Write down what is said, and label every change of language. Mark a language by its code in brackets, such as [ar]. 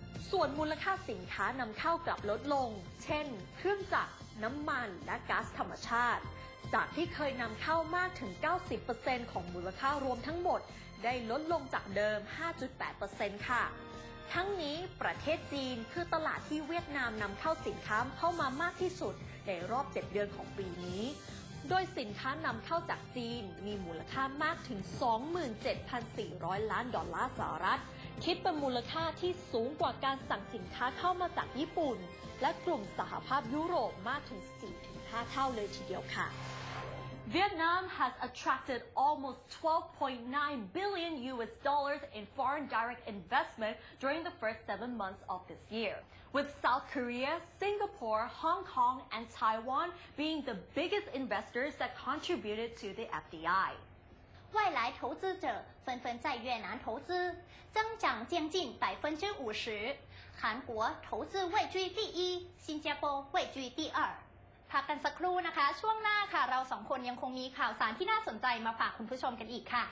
[th] ส่วนมูลค่าสินค้านำเข้ากลับลดลงเช่นเครื่องจักรน้ำมันและก๊าซธรรมชาติจากที่เคยนำเข้ามากถึง 90% ของมูลค่ารวมทั้งหมดได้ลดลงจากเดิม 5.8% ค่ะทั้งนี้ประเทศจีนคือตลาดที่เวียดนามนำเข้าสินค้าเข้ามามากที่สุดในรอบ7เดือนของปีนี้โดยสินค้านำเข้าจากจีนมีมูลค่ามากถึง 27,400 ล้านดอลลาร์สหรัฐ คิดเป็นมูลค่าที่สูงกว่าการสั่งสินค้าเข้ามาจากญี่ปุ่นและกลุ่มสหภาพยุโรปมากถึง 4-5 เท่าเลยทีเดียวค่ะ [en] Vietnam has attracted almost $12.9 billion in foreign direct investment during the first 7 months of this year with South Korea, Singapore, Hong Kong and Taiwan being the biggest investors that contributed to the FDI [zh] 外来投资者纷纷在越南投资，增长将近50%。韩国投资位居第一，新加坡位居第二。 [th] พักกันสักครู่นะคะช่วงหน้าค่ะเราสองคนยังคงมีข่าวสารที่น่าสนใจมาฝากคุณผู้ชมกันอีกค่ะ